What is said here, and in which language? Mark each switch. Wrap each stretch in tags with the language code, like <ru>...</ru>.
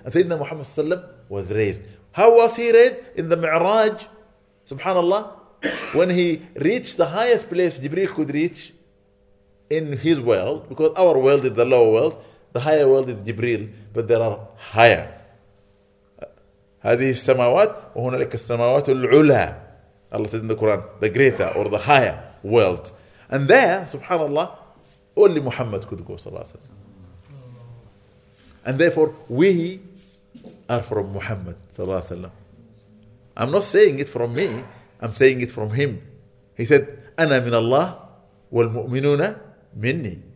<en>And Sayyidina Muhammad sallam was raised. How was he raised? In the Mi'raj, subhanAllah, when he reached the highest place Jibreel could reach in his world, because our world is the lower world, the higher world is Jibreel, but there are higher.</en> <ar>هذه السماوات وهنالك السماوات العلا.</ar> <en>Allah said in the Quran, the greater or the higher world. And there, subhanAllah, only Muhammad could go, sallallahu alayhi wa sallam. And therefore, we are from Muhammad sallallahu alaihi wasallam. I'm not saying it from me. I'm saying it from him. He said,</en> <ar>"Ana min Allah wal mu'minuna minni."</ar>